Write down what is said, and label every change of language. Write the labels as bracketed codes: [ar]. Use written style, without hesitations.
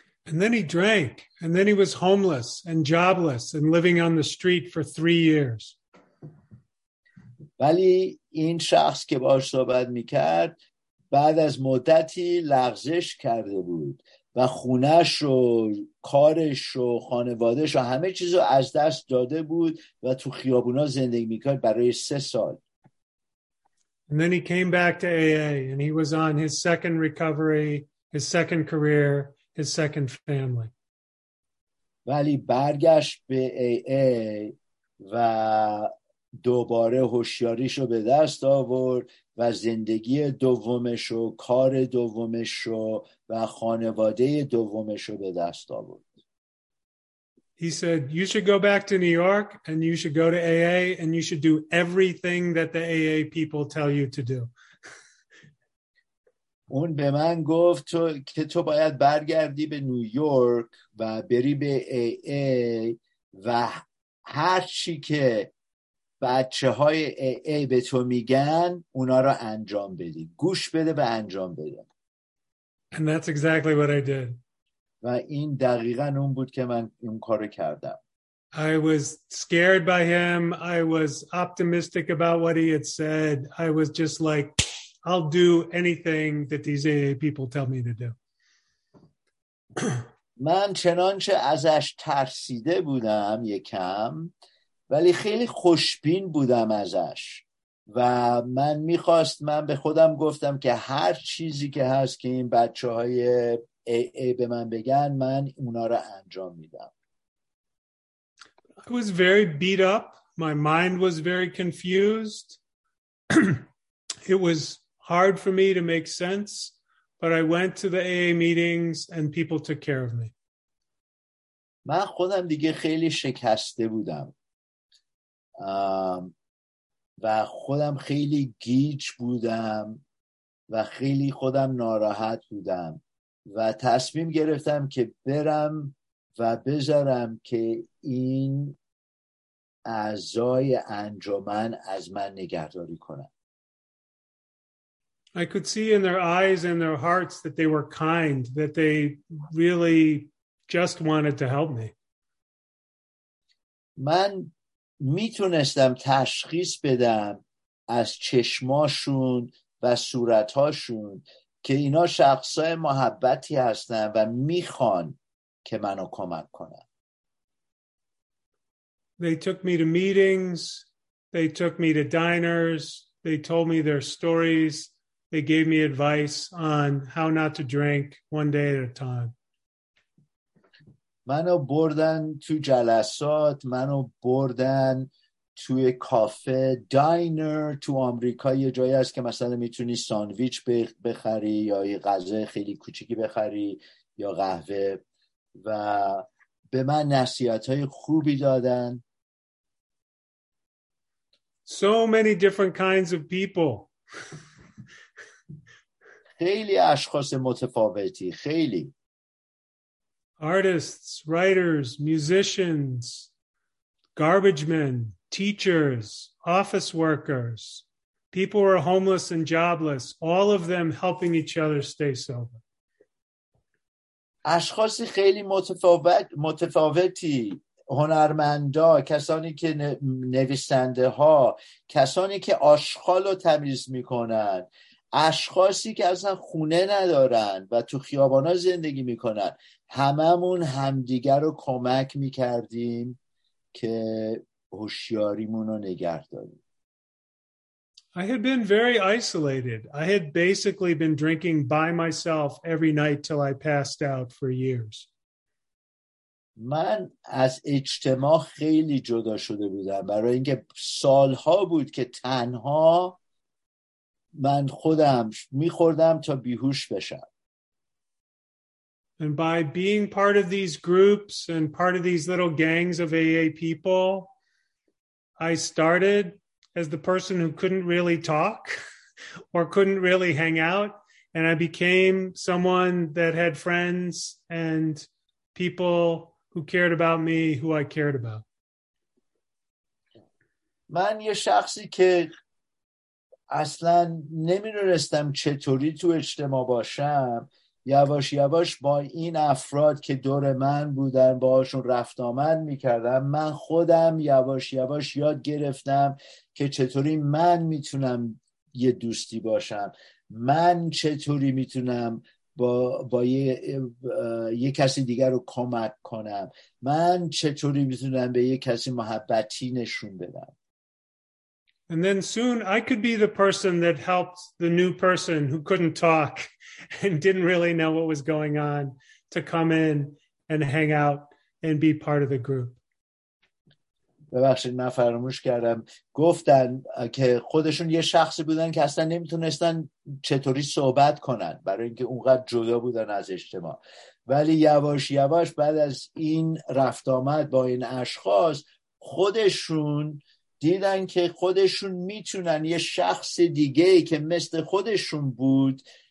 [en] And then he drank and then he was homeless and jobless and living on the street for 3 years. [fa] ولی این شخص که باهاش صحبت میکرد بعد از مدتی لغزش کرده بود و خونه‌ش و کارش و خانواده‌ش و همه چیزو از دست داده بود و تو خیابونا زندگی می‌کرد برای 3 سال. [en] And then he came back to AA and he was on his second recovery his second career, his second family. [fa] ولی برگشت به AA و دوباره هوشیاریشو به دست آورد و زندگی دومشو، کار دومشو و خانواده دومشو به دست آورد. [en] He said, you should go back to New York and you should go to AA and you should do everything that the AA people tell you to do. [fa] اون به من گفت که تو باید برگردی به نیویورک و بری به AA و هر چی که بچه های AA به تو میگن اونا را انجام بدی. گوش بده به انجام بده. [en] And that's exactly what I did. [fa] و این دقیقاً اون بود که من اون کارو کردم. [en] I was scared by him. I was optimistic about what he had said. I was just like, I'll do anything that these AA people tell me to do. [fa] من چنانچه ازش ترسیده بودم یکم، ولی خیلی خوشبین بودم ازش. و من میخواست، من به خودم گفتم که هر چیزی که هست که این بچه های AA به من بگن، من اونا را انجام میدم. [en] I was very beat up. My mind was very confused. It was hard for me to make sense, but I went to the AA meetings and people took care of me. [fa] من خودم دیگه خیلی شکسته بودم. و خودم خیلی گیج بودم و خیلی خودم ناراحت بودم و تصمیم گرفتم که برم و بذارم که این اعضای انجمن از من نگهداری کنن. [en] I could see in their eyes and their hearts that they were kind, that they really just wanted to help me. [fa] من میتونستم تشخیص بدم از چشماشون و صورتاشون که اینا شخصای محبتی هستن و میخوان که منو کمک کنن. [en] They took me to meetings, they took me to diners, they told me their stories, they gave me advice on how not to drink one day at a time. [fa] منو بردن تو جلسات، منو بردن توی کافه، داینر تو آمریکا یه جایی هست که مثلا میتونی ساندویچ بخری یا یه غذای خیلی کوچیکی بخری یا قهوه، و به من نصیحت‌های خوبی دادن. [en] So many different kinds of people. [fa] خیلی اشخاص متفاوتی، خیلی. [en] Artists, writers, musicians, garbage men, teachers, office workers, people who are homeless and jobless, all of them helping each other stay sober. [fa] اشخاصی خیلی متفاوتی، هنرمندا، کسانی که نویسنده ها، کسانی که آشغال رو تمیز میکنن، اشخاصی که اصلا خونه ندارن و تو خیابان ها زندگی میکنن، هممون همدیگر رو کمک میکردیم که هوشیاریمون رو نگه داریم. [en] I had been very isolated. I had basically been drinking by myself every night till I passed out for years. [fa] من از اجتماع خیلی جدا شده بودم، برای اینکه سالها بود که تنها من خودم میخوردم تا بیهوش بشم. [en] And by being part of these groups and part of these little gangs of AA people, I started as the person who couldn't really talk or couldn't really hang out. And I became someone that had friends and people who cared about me, who I cared about. [fa] من یه شخصی که اصلاً نمی‌دونستم چطوری تو اجتماع باشم، یواش یواش با این افراد که دور من بودن باهاشون رفت آمد میکردم، من خودم یواش یواش یاد گرفتم که چطوری من میتونم یه دوستی باشم، من چطوری میتونم با یه کسی دیگر رو کمک کنم، من چطوری میتونم به یه کسی محبتی نشون بدم. [en] And then soon I could be the person that helped the new person who couldn't talk and didn't really know what was going on to come in and hang out and be part of the group. [fa] ببخشید من فراموش کردم گفتن که خودشون یه شخصی بودن که اصلا نمیتونستن چطوری صحبت کنن برای اینکه اونقدر جدا بودن از اجتماع ولی یواش یواش بعد از این رفت آمد با این اشخاص خودشون دیدن که خودشون میتونن یه شخص دیگه که مثل خودشون بود